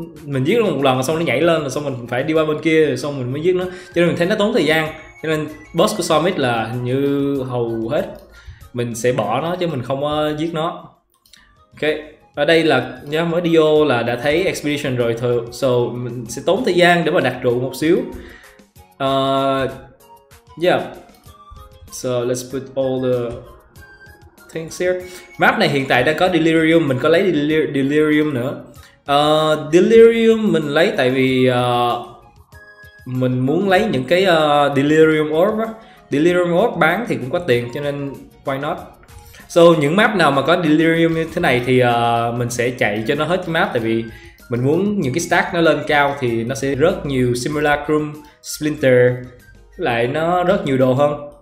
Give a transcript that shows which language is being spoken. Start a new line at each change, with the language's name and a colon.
Vietnamese: Mình giết nó một lần xong nó nhảy lên, xong mình phải đi qua bên kia xong mình mới giết nó, cho nên mình thấy nó tốn thời gian. Cho nên boss của Summit là hình như hầu hết mình sẽ bỏ nó chứ mình không giết nó. Ok, ở đây là nhớ mới đi vô là đã thấy Expedition rồi thôi. So mình sẽ tốn thời gian để mà đặt trụ một xíu.
English: Yeah, so let's put all the things here.
Vietnamese: Map này hiện tại đang có Delirium, mình có lấy Delirium nữa. Delirium mình lấy tại vì mình muốn lấy những cái Delirium Orb. Delirium Orb bán thì cũng có tiền, cho nên
English: why not.
Vietnamese: So những map nào mà có Delirium như thế này thì mình sẽ chạy cho nó hết cái map, tại vì mình muốn những cái stack nó lên cao thì nó sẽ rất nhiều Simulacrum, Splinter, lại nó rất nhiều đồ hơn.